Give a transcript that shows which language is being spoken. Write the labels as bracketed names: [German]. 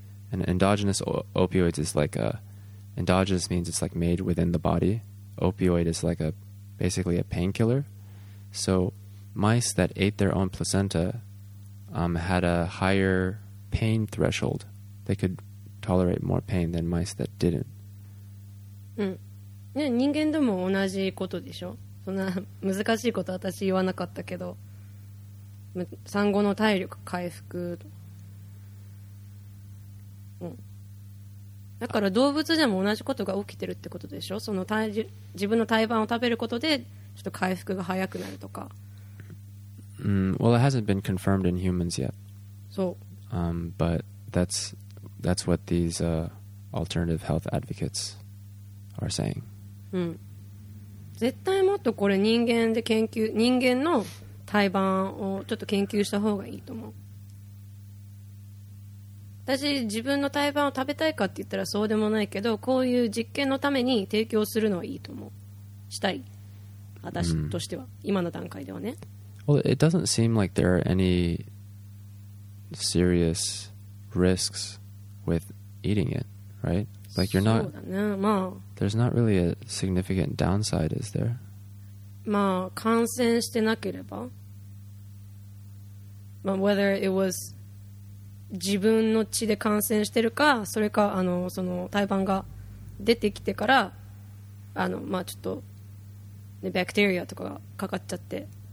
[English] And endogenous opioids is like a, endogenous means it's like made within the body. Opioid is like a, basically a painkiller. So mice that ate their own placenta had a higher pain threshold. They could tolerate more pain than mice that didn't. [Japanese] うん。ね、人間でも同じことでしょ。そんな難しいこと私言わなかったけど、産後の体力回復。うん。だから動物でも同じことが起きてるってことでしょ。その体自分の胎盤を食べることでちょっと回復が早くなるとか。 [English] Well, it hasn't been confirmed in humans yet. So, but that's what these alternative health advocates are saying. [Japanese] 絶対もっとこれ人間で研究、人間の胎盤をちょっと研究した方がいいと思う。私自分の胎盤を食べたいかって言ったらそうでもないけど、こういう実験のために提供するのはいいと思う。したい。私としては、今の段階ではね。 [English] Well, it doesn't seem like there are any serious risks with eating it, right? Like you're not. There's not really a significant downside, is there? [Japanese] まあ感染してなければ。まあ [English] whether it was [Japanese] 自分の血で感染してるか、それかその胎盤が出てきてからまあちょっと、ね、バクテリアとかがかかっちゃって。